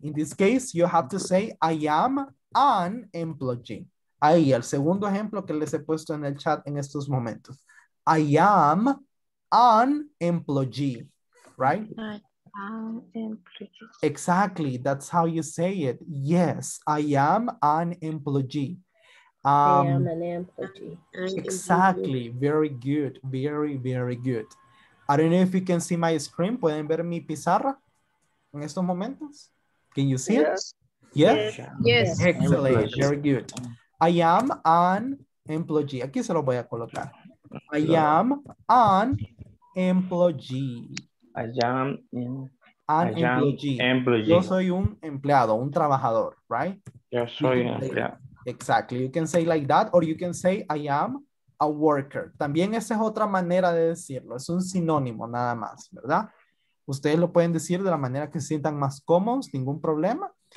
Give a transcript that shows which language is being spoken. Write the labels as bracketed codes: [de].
[en] In this case, you have to say I am an employee. [es] Ahí, el segundo ejemplo que les he puesto en el chat en estos momentos. [en] I am an employee, right? I am employee. Exactly. That's how you say it. Yes, I am an employee. I am an employee. Exactly. Very good. Very, very good. I don't know if you can see my screen. [es] ¿Pueden ver mi pizarra en estos momentos? [en] Can you see it? Yes. Yes. Excellent. Very good. I am an employee. [es] Aquí se lo voy a colocar. [en] I am an employee. I am an employee. [es] Yo soy un empleado, un trabajador, right? Yo soy un empleado. [en] Exactly. You can say like that, or you can say I am a worker. [es] También esa es otra manera de decirlo. Es un sinónimo nada más, ¿verdad? Ustedes lo pueden decir de la manera que se sientan más cómodos, ningún problema.